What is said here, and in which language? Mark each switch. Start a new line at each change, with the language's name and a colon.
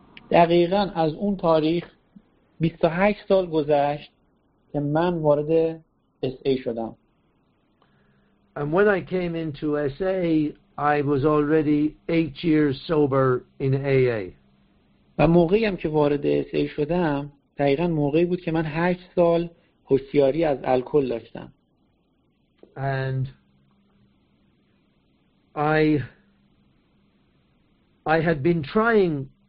Persian: دقیقا از اون تاریخ 28 سال گذشت که من وارد SA شدم.
English: And when I came into SA, I was already 8 years sober in AA.
Persian: و موقعی هم که وارد SA شدم، دقیقا موقعی بود که من 8 سال هوشیاری از الکل داشتم.
English: And I had been trying.